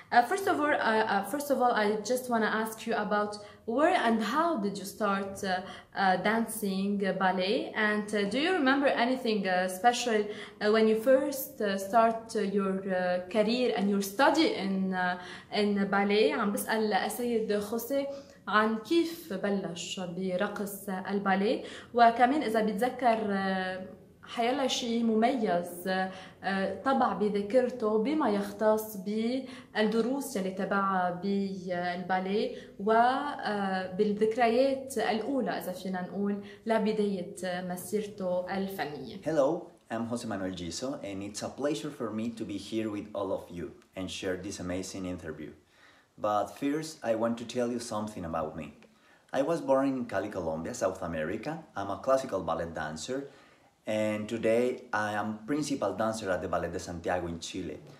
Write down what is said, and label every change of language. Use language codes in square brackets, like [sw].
[en] First of all, I just want to ask you about where and how did you start dancing ballet, and do you remember anything special when you first start your career and your study in ballet? [ar] عم بسأل السيد خوسي عن كيف بلش برقص الباليه، وكمان إذا بيتذكر حيلا شيء مميز طبع بذكرته بما يختص بالدروس اللي تبعها بالبالي وبالذكريات الأولى إذا فينا نقول لبداية مسيرته الفنية. [en] Hello, I'm Jose Manuel Ghiso and it's a pleasure for me to be here with all of you and share this amazing interview. But first, I want to tell you something about me. I was born in Cali, Colombia, South America. I'm a classical ballet dancer. And today I am principal dancer at the Ballet de Santiago in Chile.